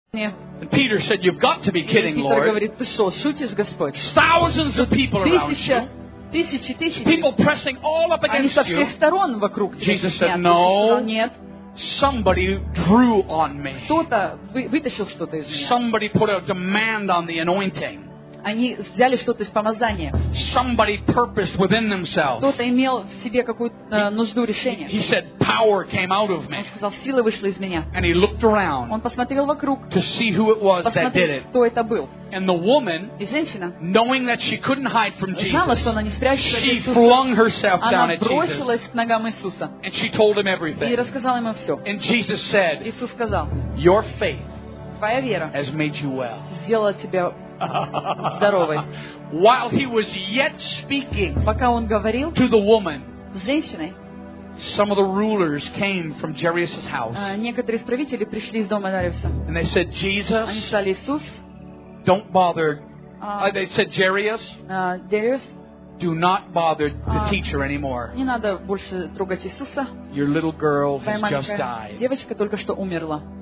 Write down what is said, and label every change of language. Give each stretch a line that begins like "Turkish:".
English: And Peter said, "You've got to be kidding, Lord."
Russian: Говорит, ты что, шутишь, Господь?
English: Thousands of people around you.
Russian: Тысячи.
English: People pressing all up against you.
Russian: Они со всех сторон вокруг тебя.
English: Jesus said, "No."
Russian: Нет.
English: Somebody drew on me.
Russian: Кто-то вытащил что-то из меня.
English: Somebody put a demand on the anointing.
Russian: Они взяли что-то из помазания.
English: Somebody purposed within themselves.
Russian: Кто-то имел в себе какую-то нужду решения.
English: He said, "Power came out of me."
Russian: Он сказал, сила вышла из меня.
English: And he looked around.
Russian: Он посмотрел вокруг.
English: To see who it was that did it.
Russian: Кто это был?
English: And the woman,
Russian: и женщина,
English: knowing that she couldn't hide from Jesus,
Russian: знала, что она не спрячется от
English: Иисуса, she flung herself down at Jesus.
Russian: Она бросилась к ногам Иисуса.
English: And she told him everything.
Russian: И рассказала ему все.
English: And Jesus said,
Russian: Иисус сказал,
English: "Your faith,
Russian: твоя вера,
English: has made you well."
Russian: Сделала тебя здоровой.
English: While he was yet speaking,
Russian: пока он говорил,
English: to the woman,
Russian: женщиной,
English: some of the rulers came from Jairus's house.
Russian: Некоторые из правителей пришли из дома Иисуса.
English: And they said, "Jesus,
Russian: они сказали, Иисус,
English: don't bother." They said, "Jairus,
Russian: Darius,
English: do not bother the teacher anymore.
Russian: Не надо больше трогать Иисуса.
English: Your little girl has just died.
Russian: Девочка только что умерла.